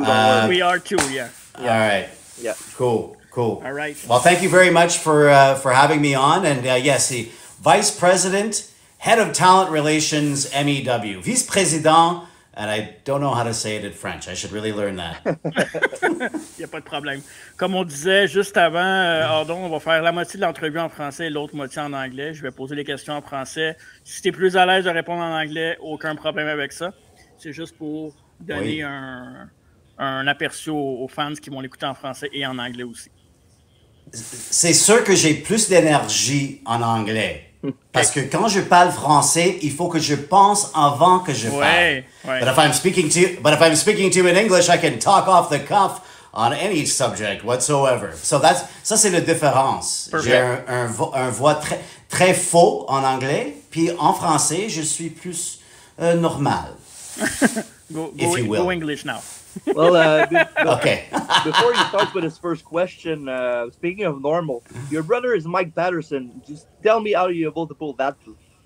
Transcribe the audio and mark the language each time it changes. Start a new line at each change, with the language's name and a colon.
English: We are too, yeah. All right. Yeah. Cool. All right. Well, thank you very much for having me on. And yes, the Vice President, Head of Talent Relations, MEW. Vice President, and I don't know how to say it in French. I should really learn that.
French: Il n'y a pas de problème. Comme on disait juste avant, Ordon, on va faire la moitié de l'entrevue en français et l'autre moitié en anglais. Je vais poser les questions en français. Si tu es plus à l'aise de répondre en anglais, aucun problème avec ça. C'est juste pour donner un aperçu aux fans qui vont l'écouter en français et en anglais aussi. C'est sûr que j'ai plus d'énergie en anglais. Parce que quand je parle français, il faut que je pense avant que je parle. Ouais.
English: But if I'm speaking to you in English, I can talk off the cuff on any subject whatsoever. So that's
French: ça c'est la différence.
English: Perfect.
French: J'ai un voix très très faux en anglais, puis en français, je suis plus normal.
English: go English now. Well, okay. Before you start with his first question, speaking of normal, your brother is Mike Patterson. Just tell me how you're able to pull that through.